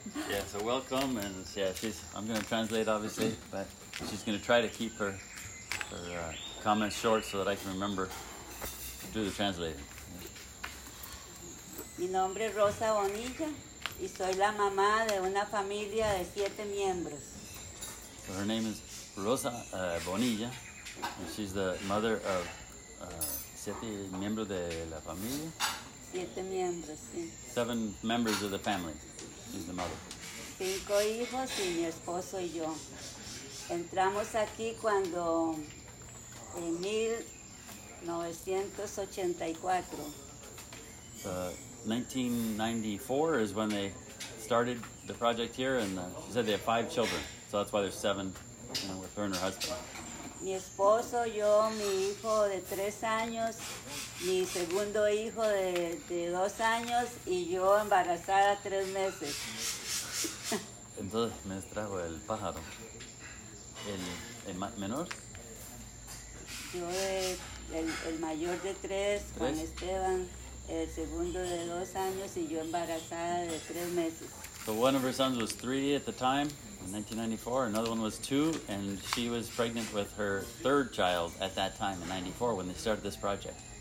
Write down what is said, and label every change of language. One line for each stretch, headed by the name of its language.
English: Yeah, so welcome, and yeah, I'm going to translate, obviously, but she's going to try to keep her comments short so that I can remember to do the translating.
Spanish: Mi nombre es Rosa Bonilla, y soy la mamá de una familia de 7 miembros.
English: So her name is Rosa Bonilla, and she's the mother of
Spanish: 7 miembros de la familia. 7 miembros, sí.
English: 7 members of the family. She's the mother.
Spanish: 5 hijos y mi esposo y yo. Entramos aquí cuando en 1984.
English: 1994 is when they started the project here, and she said they have 5 children, so that's why there's 7, you know, with her and her husband.
Spanish: Mi esposo, yo, mi hijo de 3 años, mi segundo hijo de 2 años, y yo embarazada 3 meses. Entonces me trajo el pájaro, el menor. Yo el mayor de 3, Juan Esteban. El segundo de 2 años y yo embarazada de 3 meses.
English: So one of her sons was 3 at the time, in 1994. Another one was 2, and she was pregnant with her 3rd child at that time, in 94, when they started this project.